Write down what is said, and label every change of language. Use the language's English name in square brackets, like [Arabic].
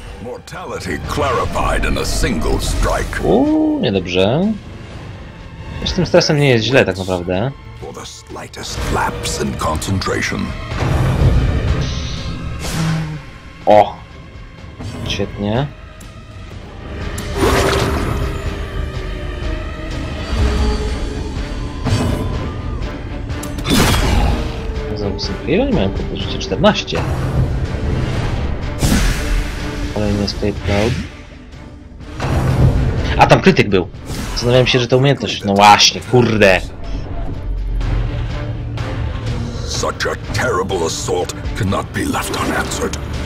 [English] Mortality clarified in a single strike. [Polish] Niedobrze. Z tym stresem nie jest źle, tak naprawdę. [English] For the slightest lapse in concentration. [Polish] O! Świetnie. Ile oni mają po życie? 14. Kolejny escape cloud. A tam krytyk był! Zastanawiałem się, że to umiejętność. No właśnie, kurde! [English] Such a terrible assault cannot be left unanswered.